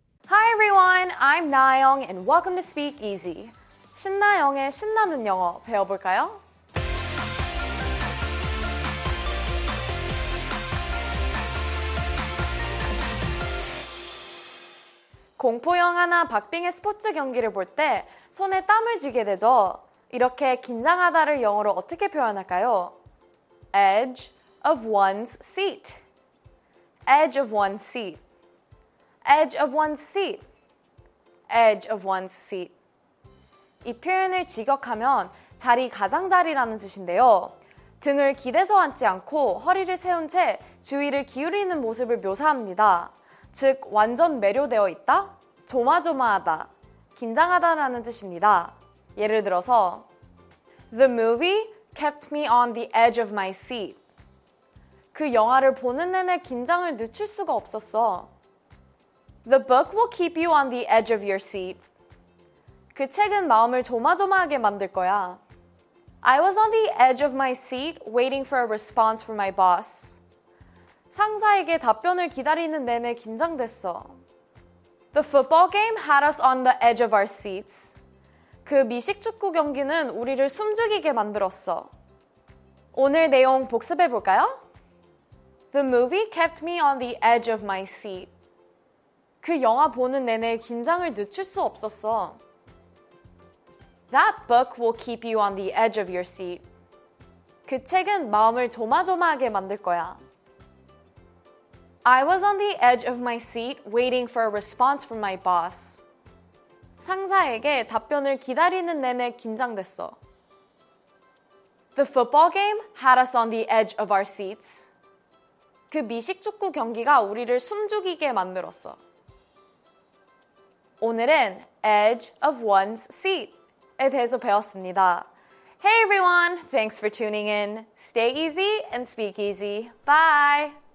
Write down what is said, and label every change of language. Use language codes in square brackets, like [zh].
[en] Hi everyone, I'm Nayeong and welcome to Speak Easy. [ko] 신나영의 신나는 영어 배워볼까요? 공포 영화나 박빙의 스포츠 경기를 볼 때 손에 땀을 쥐게 되죠. 이렇게 긴장하다를 영어로 어떻게 표현할까요? [en] Edge of one's seat. Edge of one's seat. Edge of one's seat. Edge of one's seat. [ko] 이 표현을 직역하면 자리 가장자리라는 뜻인데요. 등을 기대서 앉지 않고 허리를 세운 채 주위를 기울이는 모습을 묘사합니다. 즉, 완전 매료되어 있다, 조마조마하다, 긴장하다라는 뜻입니다. 예를 들어서 [en] The movie kept me on the edge of my seat. [ko] 그 영화를 보는 내내 긴장을 늦출 수가 없었어. [en] The book will keep you on the edge of your seat. [ko] 그 책은 마음을 조마조마하게 만들 거야. [en] I was on the edge of my seat waiting for a response from my boss. [ko] 상사에게 답변을 기다리는 내내 긴장됐어. [en] The football game had us on the edge of our seats. [ko] 그 미식축구 경기는 우리를 숨죽이게 만들었어. 오늘 내용 복습해 볼까요? [en] The movie kept me on the edge of my seat. [ko] 그 영화 보는 내내 긴장을 늦출 수 없었어. [en] That book will keep you on the edge of your seat. [ko] 그 책은 마음을 조마조마하게 만들 거야. [en] I was on the edge of my seat waiting for a response from my boss. [ko] 상사에게 답변을 기다리는 내내 긴장됐어. [en] The football game had us on the edge of our seats. [ko] 그 미식축구 경기가 우리를 숨죽이게 만들었어. 오늘은 [en] edge of one's seat [ko] 에 대해서 배웠습니다. [en] Hey everyone, thanks for tuning in. Stay easy and speak easy. Bye!